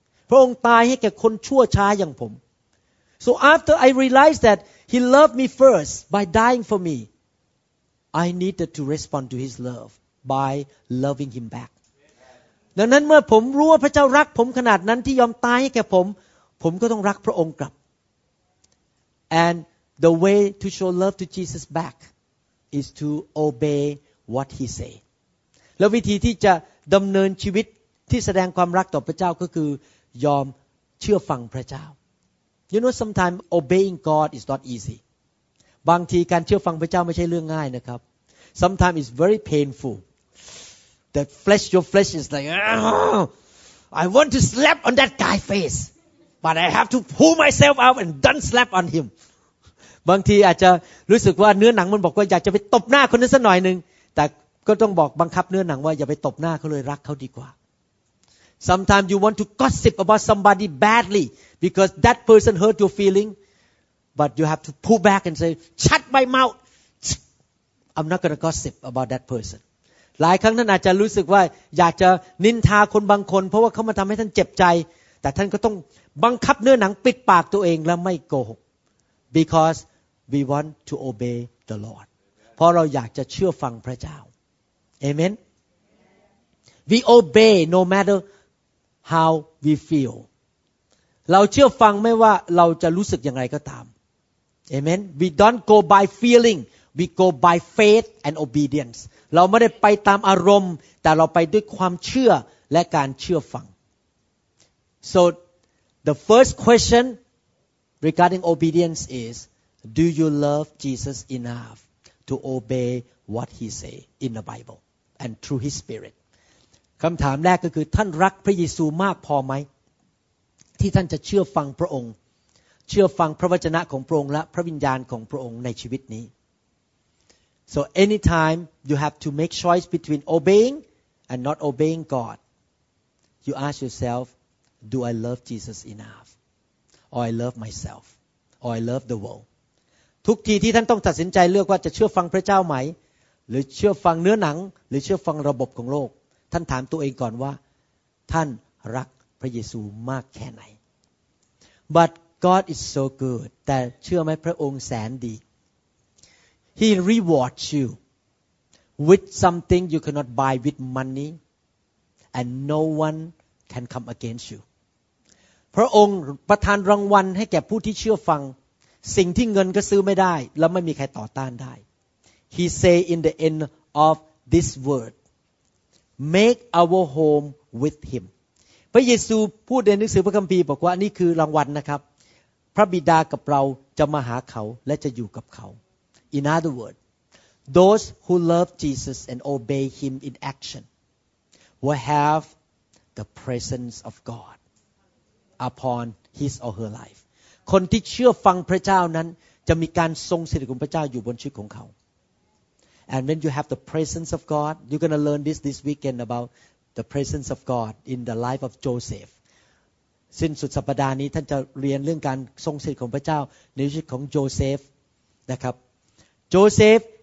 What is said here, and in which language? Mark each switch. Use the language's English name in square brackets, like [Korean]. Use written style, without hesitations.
[Thai] พระองค์ตายให้แก่คนชั่วช้าอย่างผม [English] So after I realized that he loved me first by dying for me, I needed to respond to his love by loving him back. [Thai] ดังนั้นเมื่อผมรู้ว่าพระเจ้ารักผมขนาดนั้นที่ยอมตายให้แก่ผมผมก็ต้องรักพระองค์กลับ And [English] the way to show love to Jesus back is to obey what he say [Thai] แล้ววิธีที่จะดำเนินชีวิตที่แสดงความรักต่อพระเจ้าก็คือยอมเชื่อฟังพระเจ้า [English] You know sometimes obeying God is not easy [Thai] บางทีการเชื่อฟังพระเจ้าไม่ใช่เรื่องง่ายนะครับ [English] Sometimes it's very painful that flesh your flesh is like I want to slap on that guy's face but I have to pull myself out and don't slap on him [Thai] บางทีอาจจะรู้สึกว่าเนื้อหนังมันบอกว่าอยากจะไปตบหน้าคนนั้นสักหน่อยนึงแต่ก็ต้องบอกบังคับเนื้อหนังว่าอย่าไปตบหน้าเขาเลยรักเขาดีกว่า [English] Sometimes you want to gossip about somebody badly because that person hurt your feeling but you have to pull back and say shut my mouth I'm not going to gossip about that person [Thai] หลายครั้งท่านอาจจะรู้สึกว่าอยากจะนินทาคนบางคนเพราะว่าเขามาทำให้ท่านเจ็บใจแต่ท่านก็ต้องบังคับเนื้อหนังปิดปากตัวเองและไม่โกหก [English] because we want to obey the Lord [Thai] เพราะเราอยากจะเชื่อฟังพระเจ้า [English] Amen We obey no matter how we feel [Thai] เราเชื่อฟังไม่ว่าเราจะรู้สึกอย่างไรก็ตาม [English] Amen We don't go by feelingWe go by faith and obedience. [Thai] เราไม่ได้ไปตามอารมณ์แต่เราไปด้วยความเชื่อและการเชื่อฟัง [English] So the first question regarding obedience is, do you love Jesus enough to obey what he say in the Bible and through his spirit? [Thai] คำถามแรกก็คือท่านรักพระเยซูมากพอไหมที่ท่านจะเชื่อฟังพระองค์เชื่อฟังพระวจนะของพระองค์และพระวิญญาณของพระองค์ในชีวิตนี้ [English] So anytime you have to make choice between obeying and not obeying God, you ask yourself, do I love Jesus enough? Or I love myself? Or I love the world? [Thai] ทุกทีที่ท่านต้องตัดสินใจเลือกว่าจะเชื่อฟังพระเจ้าไหมหรือเชื่อฟังเนื้อหนังหรือเชื่อฟังระบบของโลกท่านถามตัวเองก่อนว่าท่านรักพระเยซูมากแค่ไหน [English] But God is so good. [Thai] แต่เชื่อไหมพระองค์แสนดี [English] He rewards you with something you cannot buy with money, and no one can come against you. [Thai] พระองค์ประทานรางวัลให้แก่ผู้ที่เชื่อฟังสิ่งที่เงินก็ซื้อไม่ได้และไม่มีใครต่อต้านได้ [English] He say in the end of this word, make our home with him. [Thai] พระเยซูพูดในหนังสือพระคัมภีร์บอกว่านี่คือรางวัลนะครับพระบิดากับเราจะมาหาเขาและจะอยู่กับเขา [English] In other words, those who love Jesus and obey Him in action will have the presence of God upon his or her life. [Thai] คนที่เชื่อฟังพระเจ้านั้นจะมีการทรงสถิตของพระเจ้าอยู่บนชีวิตของเขา [English] And when you have the presence of God, you're going to learn this weekend about the presence of God in the life of Joseph. [Thai] สิ้นสุดสัปดาห์นี้ท่านจะเรียนเรื่องการทรงสถิตของพระเจ้าในชีวิตของโจเซฟนะครับJoseph